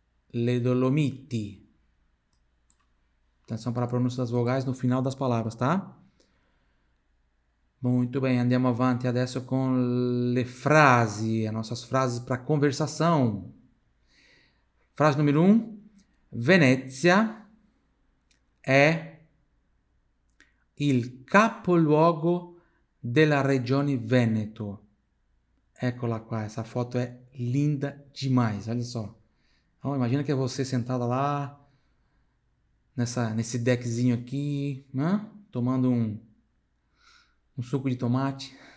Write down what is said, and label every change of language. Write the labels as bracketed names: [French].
[Portuguese] Le Dolomiti. Atenção para a pronúncia das vogais no final das palavras, tá? Muito bem, [Italian] andiamo avanti adesso con le frasi, [Portuguese] as nossas frases para conversação. Frase número 1: [Italian] Venezia è il capoluogo della regione Veneto. Eccola qua, [Portuguese] essa foto é linda demais, olha só. Então, imagina que é você sentada lá nesse deckzinho aqui, né? Tomando um suco de tomate.